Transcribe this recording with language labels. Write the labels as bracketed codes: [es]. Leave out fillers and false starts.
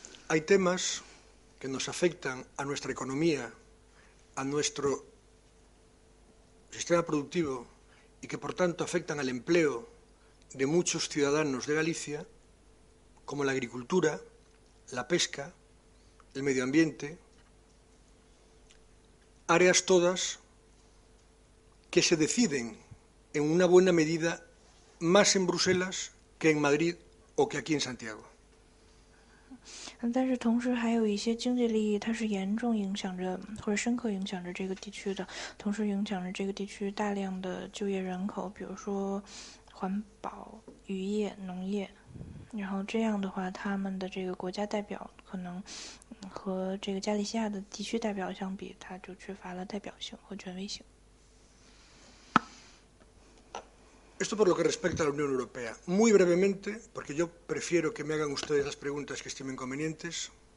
[es] Hay temas que nos afectan a nuestra economía, a nuestro sistema productivo y que, por tanto, afectan al empleo de muchos ciudadanos de Galicia, como la agricultura, la pesca, el medio ambiente, áreas todas que se deciden en una buena medida más en Bruselas que en Madrid o que aquí en Santiago. [zh] 但是同时还有一些经济利益，它是严重影响着或者深刻影响着这个地区的，同时影响着这个地区大量的就业人口，比如说。环保、渔业、农业，然后这样的话，他们的这个国家代表可能和这个加利西亚的地区代表相比，他就缺乏了代表性和权威性。 [es] Esto por lo que respecta a la Unión Europea. Muy brevemente, porque yo prefiero que me hagan ustedes las preguntas que estimen convenientes.